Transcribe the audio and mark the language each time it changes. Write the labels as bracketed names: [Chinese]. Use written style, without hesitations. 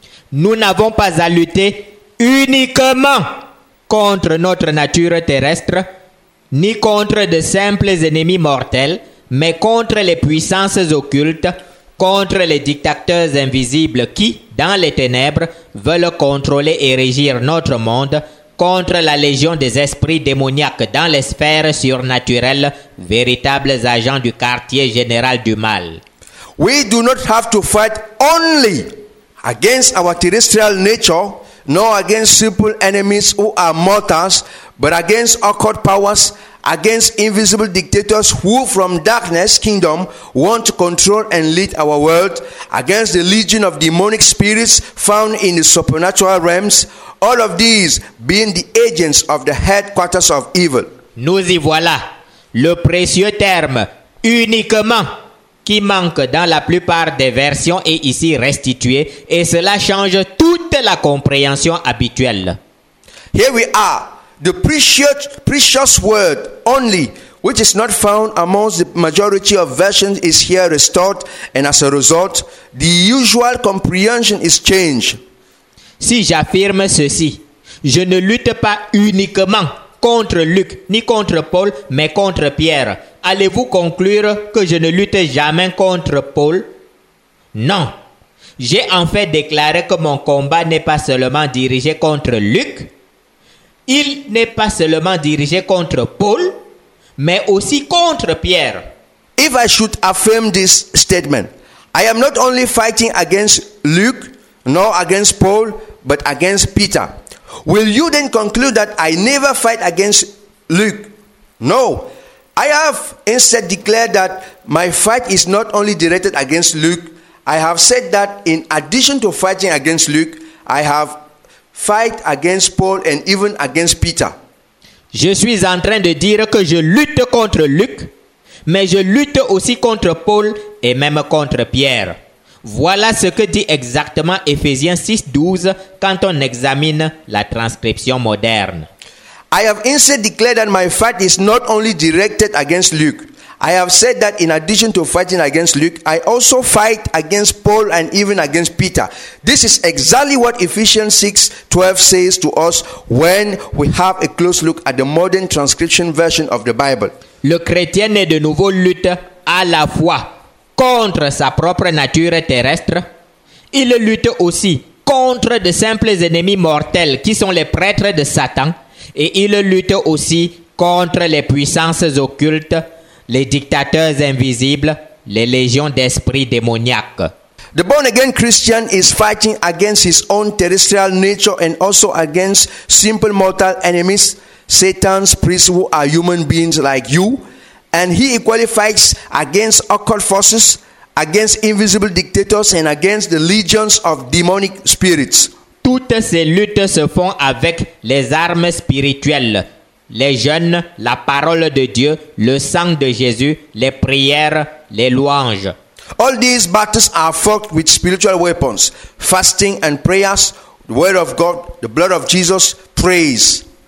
[French] Nous n'avons pas à lutter uniquement contre notre nature terrestre, ni contre de simples ennemis mortels, mais contre les puissances occultes, contre les dictateurs invisibles qui, dans les ténèbres, veulent contrôler et régir notre monde, contre la légion des esprits démoniaques dans les sphères surnaturelles, véritables agents du quartier général du mal. [English] We do not have to fight only against our terrestrial nature, nor against simple enemies who are mortals, but against occult powers, against invisible dictators who from darkness kingdom want to control and lead our world, against the legion of demonic spirits found in the supernatural realms, all of these being the agents of the headquarters of evil. [French] Nous y voilà, le précieux terme uniquement qui manque dans la plupart des versions est ici restitué et cela change toute la compréhension habituelle. [English] Here we are. The precious word only, which is not found amongst the majority of versions, is here restored, and as a result, the usual comprehension is changed. [French] Si j'affirme ceci, je ne lutte pas uniquement contre Luc ni contre Paul, mais contre Pierre. Allez-vous conclure que je ne lutte jamais contre Paul? Non. J'ai en fait déclaré que mon combat n'est pas seulement dirigé contre Luc. Il n'est pas seulement dirigé contre Paul, mais aussi contre Pierre. [English] If I should affirm this statement, I am not only fighting against Luke, nor against Paul, but against Peter. Will you then conclude that I never fight against Luke? No. I have instead declared that my fight is not only directed against Luke. I have said that in addition to fighting against Luke, I have fight against Paul and even against Peter. [French] Je suis en train de dire que je lutte contre Luc, mais je lutte aussi contre Paul et même contre Pierre. Voilà ce que dit exactement Ephésiens 6:12 quand on examine la transcription moderne. [English] I have instead declared that my fight is not only directed against Luc. I have said that in addition to fighting against Luke, I also fight against Paul and even against Peter. This is exactly what Ephesians 6:12 says to us when we have a close look at the modern transcription version of the Bible. [French] Le chrétien est de nouveau lutte à la fois contre sa propre nature terrestre. Il lutte aussi contre de simples ennemis mortels qui sont les prêtres de Satan. Et il lutte aussi contre les puissances occultes, les dictateurs invisibles, les légions d'esprits démoniaques. [English] The born again Christian is fighting against his own terrestrial nature and also against simple mortal enemies, Satan's priests who are human beings like you and he equally fights against occult forces, against invisible dictators, and against the legions of demonic spirits. [French] Toutes ces luttes se font avec les armes spirituelles, les jeûnes, la parole de Dieu, le sang de Jésus, les prières, les louanges. [English] All these battles are fought with spiritual weapons, fasting and prayers, the word of God, the blood of Jesus, praise.